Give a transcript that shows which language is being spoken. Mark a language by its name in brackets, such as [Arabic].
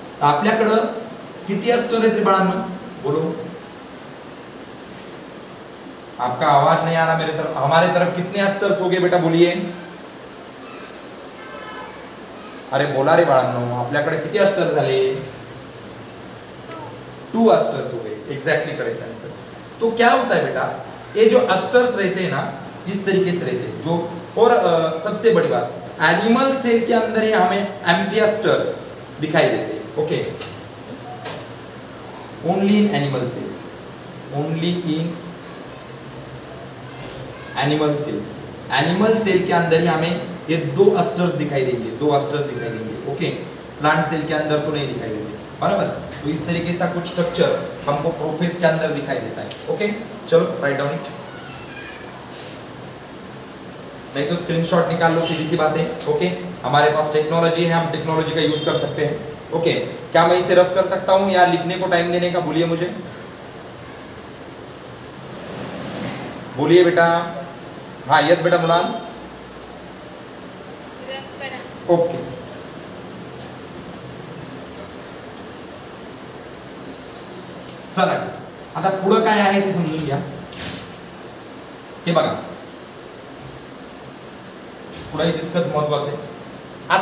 [Marathi] तर आपल्याकडे किती अस्टर आहेत बाळांनो बोलो, आपका आवाज नाही आला मेरे तरफ, [Hindi] हमारे तरफ कितने अस्टर हो गए बेटा बोलिए, [Marathi] अरे बोला रे बाळांनो आपल्याकडे किती अस्टर झाले, टू अस्टर हो गए, एक्झॅक्टली करेक्ट आंसर। [Hindi] तो क्या होता है बेटा, ये जो अस्टर्स रहते हैं ना इस तरीके से रहते हैं जो, और सबसे बड़ी बात एनिमल सेल के अंदर ही हमें एम्पियस्टर दिखाई देते हैं okay, only in animal cell, only in animal cell, animal cell के अंदर ही हमें ये दो अस्टर्स दिखाई देंगे, दो अस्टर्स दिखाई देंगे ओके, प्लांट सेल के अंदर तो नहीं दिखाई देते बराबर। तो इस तरीके से कुछ स्ट्रक्चर हमको प्रोफेज के अंदर दिखाई देता है ओके, चलो राइट डाउन इट, नहीं तो स्क्रीनशॉट निकाल लो, सीधी सी बातें ओके, हमारे पास टेक्नोलॉजी है, हम टेक्नोलॉजी का यूज कर सकते हैं ओके। क्या मैं इसे रफ कर सकता हूं या लिखने को टाइम देने का, बोलिए मुझे, बोलिए बेटा, हाँ यस बेटा मुलाल ओके, [Marathi] चला आता पुढे काय आहे ते समजून घ्या, हे बघा पुढे तितकंच महत्त्वाचं आहे।